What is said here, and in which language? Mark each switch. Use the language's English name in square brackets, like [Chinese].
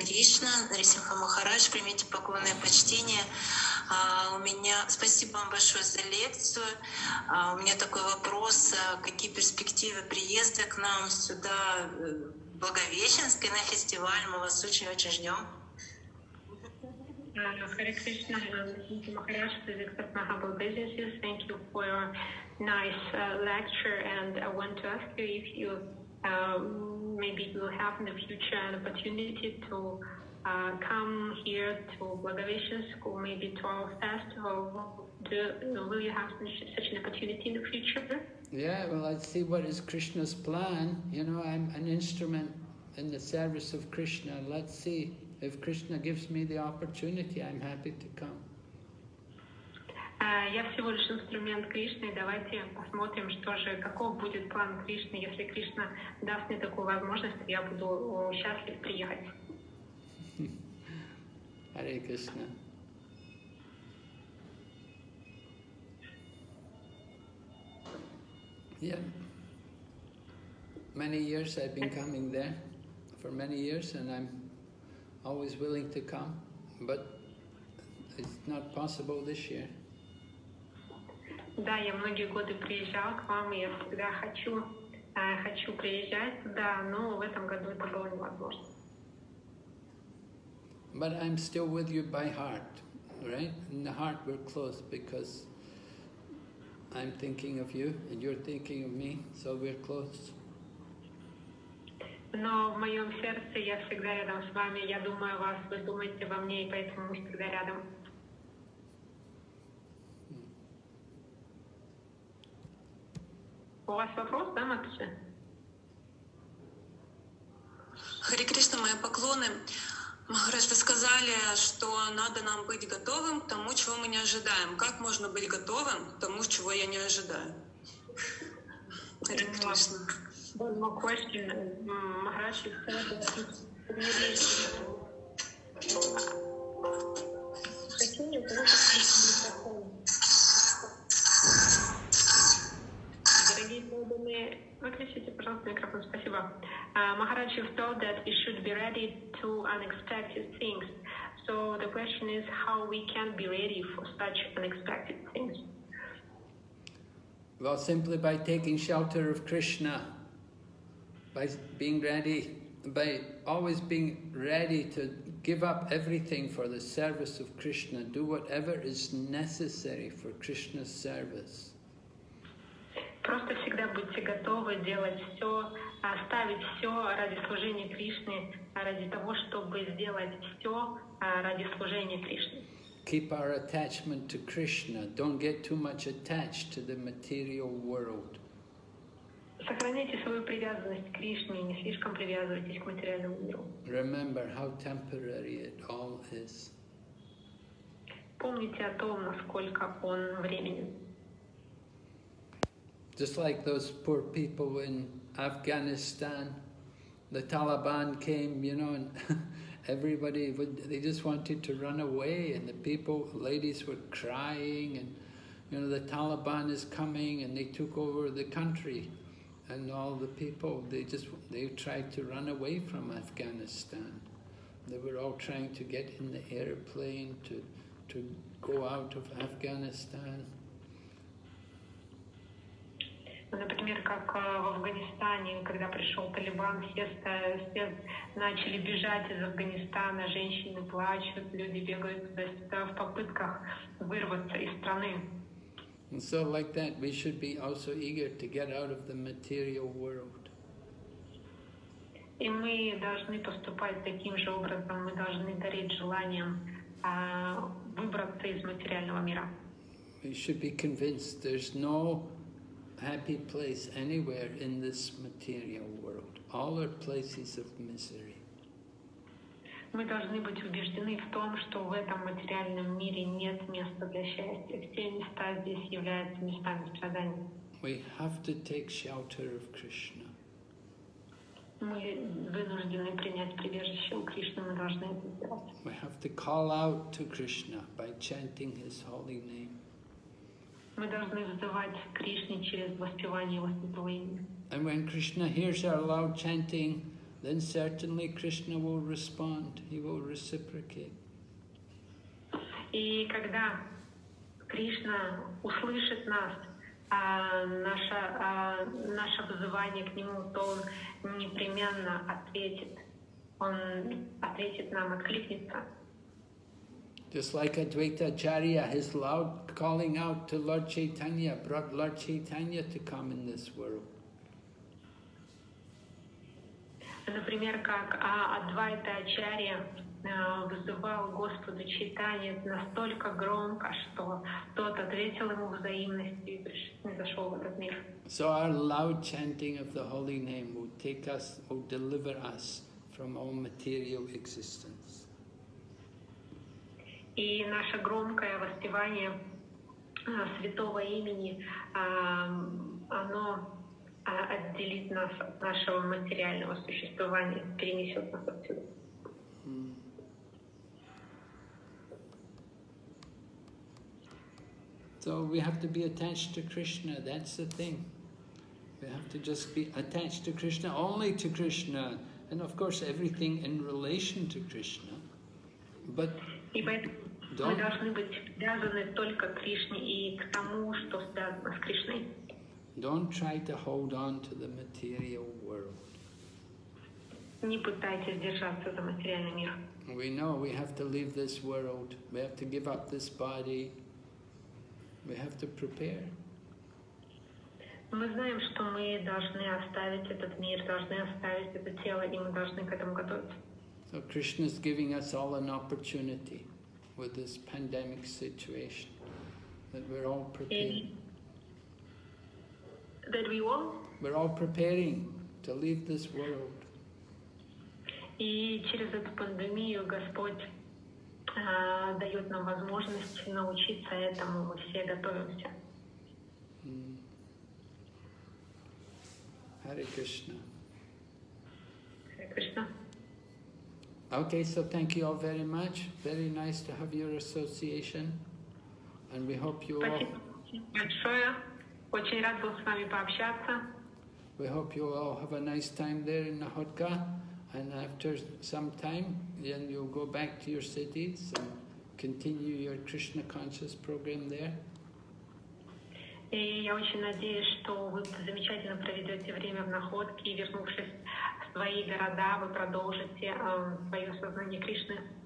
[Russian] Шри Кришна, Нарисимха Махарадж, примите поклонное почтение. У меня... Спасибо вам большое за лекцию. У меня такой вопрос, какие перспективы приезда к нам сюда в Благовещенск на фестиваль? Мы вас очень-очень ждем. [English] Hare Krishna, thank you, Maharaj, this is Dr. Mahabal Businesses. Thank you for your nice lecture, and I want to ask you if you maybe you have in the future an opportunity to come here to Blagoveshchensk, or maybe to our festival. Will you have such an opportunity in the future? Yeah, well, I see what is Krishna's plan. You know, I'm an instrument in the service of Krishna. Let's see. If Krishna gives me the opportunity, I'm happy to come. [Russian] Я всего лишь инструмент Кришны. Давайте посмотрим, что же, каков будет план Кришны. Если Кришна даст мне такую возможность, я буду счастлив приехать. [English] Hare Krishna. Yeah. Many years I've been coming there, for many years, and I'm always willing to come, but it's not possible this year. [Russian] Да, я многие годы приезжал к вам, и я всегда хочу приезжать туда, но в этом году это было невозможно. [English] But I'm still with you by heart, right? In the heart we're close because I'm thinking of you and you're thinking of me, so we're close. [Russian] Но в моем сердце я всегда рядом с вами. Я думаю о вас, вы думаете обо мне, и поэтому мы всегда рядом. У вас вопрос, да, Матуша? Харе Кришна, мои поклоны. Махарадж, вы сказали, что надо нам быть готовым к тому, чего мы не ожидаем. Как можно быть готовым к тому, чего я не ожидаю? Харе Кришна. [English] One more question, Maharaj, you said that you should be ready to unexpected things. So the question is how we can be ready for such unexpected things. Well, simply by taking shelter of Krishna. By being ready, by always being ready to give up everything for the service of Krishna, do whatever is necessary for Krishna's service. [Russian] Просто всегда будьте готовы делать все, оставить все ради служения Кришне, ради того, чтобы сделать все ради служения Кришне. [English] Keep our attachment to Krishna. Don't get too much attached to the material world. [Russian] Сохраняйте свою привязанность к Кришне, не слишком привязывайтесь к материальному миру. [English] Remember how temporary it all is. [Russian] Помните о том, насколько он временен. [English] Just like those poor people in Afghanistan, the Taliban came, you know, and everybody would—they just wanted to run away, and the people, ladies, were crying, and you know, the Taliban is coming, and they took over the country. And all the people, they tried to run away from Afghanistan. They were all trying to get in the airplane to go out of Afghanistan. [Russian] Например, как в Афганистане, когда пришел Талибан, все начали бежать из Афганистана, женщины плачут, люди бегают туда-сюда в попытках вырваться из страны. [English] And so like that, we should be also eager to get out of the material world. [Russian] И мы должны поступать таким же образом, мы должны гореть желанием выбраться из материального мира. [English] We should be convinced there's no happy place anywhere in this material world. All are places of misery. [Russian] Мы должны быть убеждены в том, что в этом материальном мире нет места для счастья. Все места здесь являются местами страданий. [English] We have to take shelter of Krishna. [Russian] Мы вынуждены принять прибежище у Кришны, мы должны это сделать. [English] We have to call out to Krishna by chanting His holy name. [Russian] Мы должны взывать к Кришне через воспевание Его святого имени. [English] And when Krishna hears our loud chanting, then certainly Krishna will respond, he will reciprocate. [Russian] И когда Кришна услышит нас, наше взывание к нему, то он непременно ответит. Он ответит нам, откликнется. [English] Just like Advaita Acharya, his loud calling out to Lord Chaitanya brought Lord Chaitanya to come in this world. [Russian] Например, как Адвайта Ачарья вызывал Господа Чайтанья настолько громко, что тот ответил ему взаимностью и зашел в этот мир. [English] So our loud chanting of the holy name will take us, will deliver us from all material existence. [Russian] И наше громкое воспевание святого имени, оно отделит нас от нашего материального существования, перенесет нас отсюда. [English] So we have to be attached to Krishna, that's the thing. We have to just be attached to Krishna, only to Krishna, and of course everything in relation to Krishna. But don't... [Russian] Мы должны быть привязаны только к Кришне и к тому, что связано с Кришной. [English] Don't try to hold on to the material world. [Russian] Не пытайтесь держаться за материальный мир. [English] We know we have to leave this world, we have to give up this body. We have to prepare. [Russian] Мы знаем, что мы должны оставить этот мир, должны оставить это тело, и мы должны к этому готовиться. [English] So Krishna is giving us all an opportunity with this pandemic situation that we're all preparing. That we all? We're all preparing to leave this world. [Russian] И через эту пандемию Господь дает нам возможность научиться этому, мы все готовимся. [English] Hare Krishna. Hare Krishna. Okay, so thank you all very much. Very nice to have your association. And we hope you all... [Russian] Спасибо большое. Очень рад был с вами пообщаться. [English] We hope you all have a nice time there in Находка. And after some time, then you'll go back to your cities and continue your Krishna conscious program there. [Russian] И я очень надеюсь, что вы замечательно проведете время в Находке, и вернувшись в свои города, вы продолжите свое сознание Кришны.